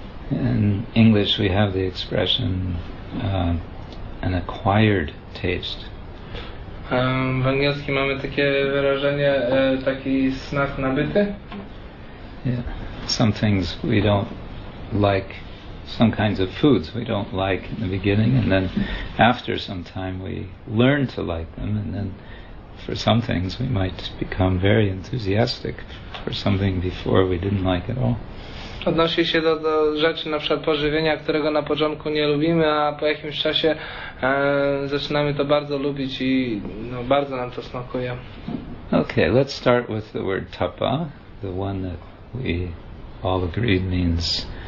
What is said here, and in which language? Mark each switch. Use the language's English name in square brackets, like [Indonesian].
[English] In English we have the expression an acquired taste. [Polish] W angielskim mamy takie wyrażenie, taki smak nabyty. [English] Yeah. Some things we don't like. Some kinds of foods we don't like in the beginning, and then after some time we learn to like them, and then for some things we might become very enthusiastic for something before we didn't like at all. [Polish] Odnosi się do rzeczy, na przykład pożywienia, którego na początku nie lubimy, a po jakimś czasie zaczynamy to bardzo lubić i no, bardzo nam to smakuje. [English] Okay, let's start with the word tapa, the one that we all agreed means